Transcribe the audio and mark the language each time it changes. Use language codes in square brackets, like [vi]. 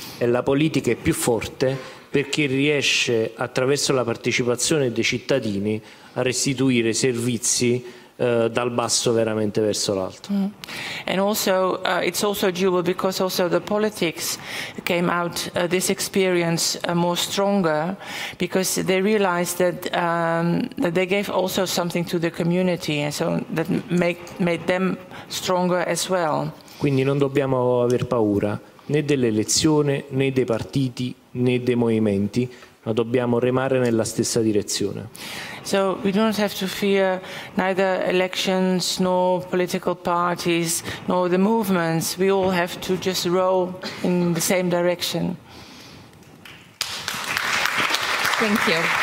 [it] E la politica è più forte perché riesce attraverso la partecipazione dei cittadini a restituire servizi dal basso veramente verso l'alto. [en] And also it's also dual because also the politics came out this experience more stronger because they realized that that they gave also something to the community and so that made them stronger as well. [it] Quindi non dobbiamo aver paura né dell'elezione né dei partiti né dei movimenti, ma dobbiamo remare nella stessa direzione. [en] So we don't have to fear neither elections nor political parties nor the movements. We all have to just row in the same direction. Thank you.